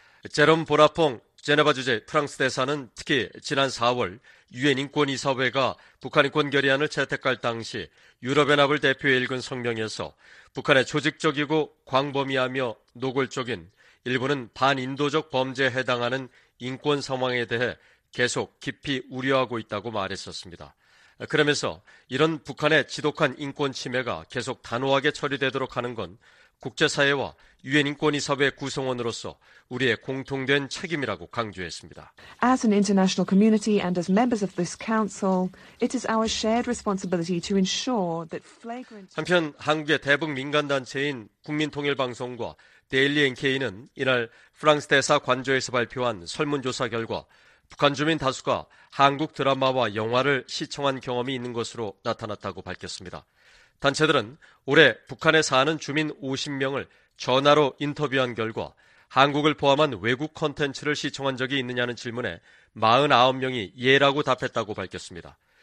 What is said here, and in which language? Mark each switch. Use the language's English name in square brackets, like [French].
[Korean] 제롬 보라퐁 제네바 주재 프랑스 대사는 특히 지난 4월 유엔 인권이사회가 북한 인권 결의안을 채택할 당시 유럽연합을 대표해 읽은 성명에서 북한의 조직적이고 광범위하며 노골적인 일부는 반인도적 범죄에 해당하는 인권 상황에 대해 계속 깊이 우려하고 있다고 말했었습니다. 그러면서 이런 북한의 지독한 인권 침해가 계속 단호하게 처리되도록 하는 건 국제사회와 유엔 인권이사회 구성원으로서 우리의 공통된 책임이라고 강조했습니다. [English] As an international community and as members of this council, it is our shared responsibility to ensure that flagrant. [Korean] 한편 한국의 대북 민간 단체인 국민통일방송과 데일리 NK는 이날 프랑스 대사 관저에서 발표한 설문조사 결과 북한 주민 다수가 한국 드라마와 영화를 시청한 경험이 있는 것으로 나타났다고 밝혔습니다. 단체들은 올해 북한에 사는 주민 50명을 전화로 인터뷰한 결과 한국을 포함한 외국 콘텐츠를 시청한 적이 있느냐는 질문에 49명이 예라고 답했다고 밝혔습니다.